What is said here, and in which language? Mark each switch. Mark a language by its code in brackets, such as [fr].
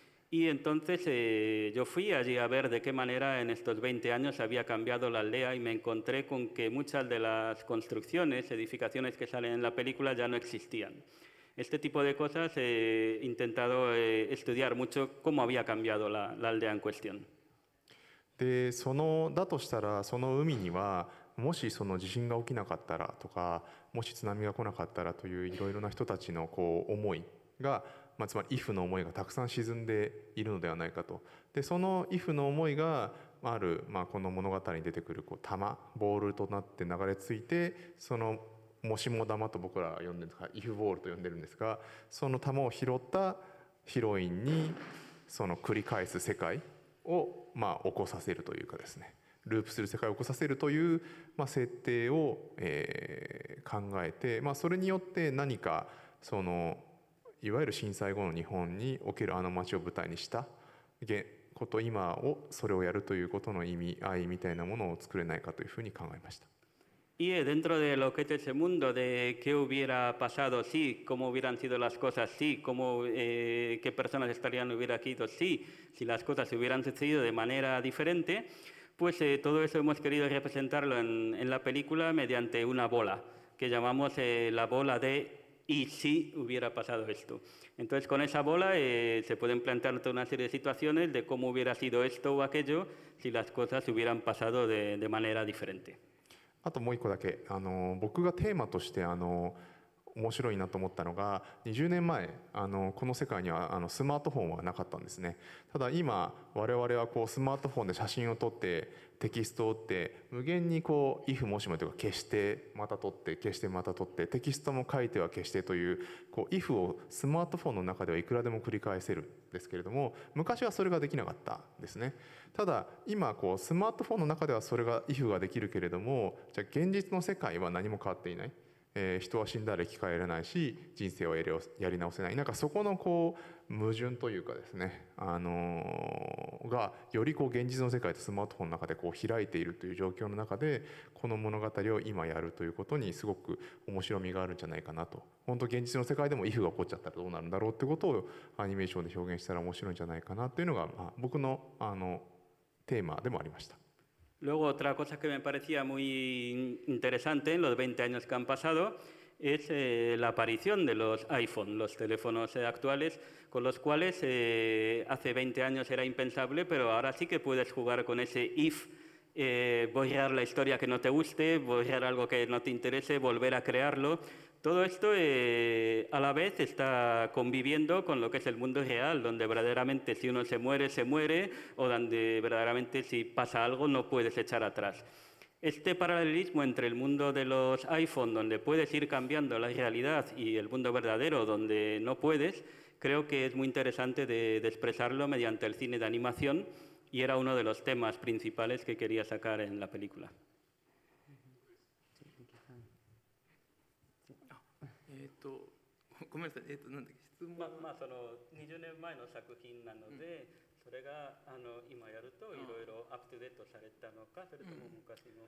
[es] Y entonces yo fui allí a ver de qué manera en estos 20 años había cambiado la aldea y me encontré con que muchas de las construcciones, edificaciones que salen en la película ya no existían. Este tipo de cosas he intentado estudiar mucho cómo había cambiado la aldea en cuestión. De eso, [ja] だとしたら、その海にはもしその地震が起きなかったらとか、もし津波が来なかったらといういろいろな人たちのこう思いが、つまり if の思いがたくさん沈んでいるのではないかと。でその if の思いがある、この物語に出てくるこう玉ボールとなって流れ着いて、そのもしも玉と僕らは呼んでるんですが、 if ボールと呼んでるんですが、その玉を拾ったヒロインにその繰り返す世界を起こさせるというかですね、ループする世界を起こさせるという、まあ、設定を、考えて、まあ、それによって何かそのいわゆる震災後の日本におけるあの街を舞台にしたこと、今をそれをやるということの意味合いみたいなものを作れないかというふうに考えました。 [es] Y dentro de lo que es ese mundo, de qué hubiera pasado, sí, cómo hubieran sido las cosas, sí, cómo, qué personas estarían hubiera aquí, sí, si las cosas se hubieran sucedido de manera diferente, pues todo eso hemos querido representarlo en la película mediante una bola, que llamamos la bola de y si hubiera pasado esto. Entonces, con esa bola se pueden plantear toda una serie de situaciones de cómo hubiera sido esto o aquello si las cosas se hubieran pasado de manera diferente. [ja] あともう一個だけ、僕がテーマとして面白いなと思ったのが、20年前この世界にはスマートフォンはなかったんですね。ただ今我々はこうスマートフォンで写真を撮ってテキストを打って無限にこう if もしもというか消してまた撮って消してまた撮ってテキストも書いては消してというこう if をスマートフォンの中ではいくらでも繰り返せるんですけれども、昔はそれができなかったんですね。ただ今こうスマートフォンの中ではそれが if ができるけれども、じゃあ現実の世界は何も変わっていない、人は死んだら生き返れないし人生はやり直せない、なんかそこのこう矛盾というかですね、がよりこう現実の世界とスマートフォンの中でこう開いているという状況の中で、この物語を今やるということにすごく面白みがあるんじゃないかなと。本当現実の世界でも if が起こっちゃったらどうなるんだろうということをアニメーションで表現したら面白いんじゃないかなというのが、まあ、僕の、テーマでもありました。 [es] Luego otra cosa que me parecía muy interesante en los 20 años que han pasado es la aparición de los iPhone, los teléfonos actuales, con los cuales hace 20 años era impensable, pero ahora sí que puedes jugar con ese if, borrar la historia que no te guste, borrar algo que no te interese, volver a crearlo. Todo esto a la vez está conviviendo con lo que es el mundo real, donde verdaderamente si uno se muere, o donde verdaderamente si pasa algo no puedes echar atrás. Este paralelismo entre el mundo de los iPhone, donde puedes ir cambiando la realidad, y el mundo verdadero, donde no puedes, creo que es muy interesante de expresarlo mediante el cine de animación, y era uno de los temas principales que quería sacar en la película. [ja] ごめんなさい、なんだっけ、質問、まあ、その20年前の作品なので、うん、それが今やるといろいろアップデートされたのか、それとも昔の、